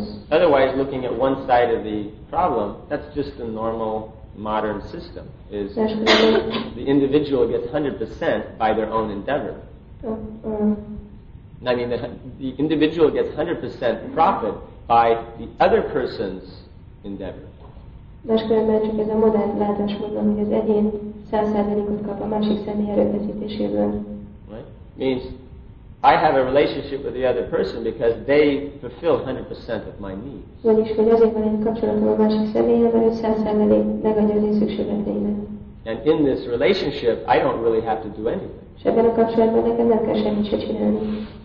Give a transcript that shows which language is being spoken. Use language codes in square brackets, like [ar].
[en] Otherwise, looking at one side of the problem, that's just the normal modern system. Is the individual gets 100% by their own endeavor. I mean, the individual gets 100% profit by the other person's endeavor. [hu] Máskülönben csak ez a modern látásmód, amíg az egyén 100%-ot kap a másik személy erőfeszítéséből. [en] Right? Means, I have a relationship with the other person because they fulfill 100% of my needs. [hu] Vagyis, hogy azért van egy kapcsolatom a másik személyen, mert 100% megadja az én szükségleteimet. [en] And in this relationship, I don't really have to do anything. És ebben a kapcsolatban nekem nem kell semmit se csinálni.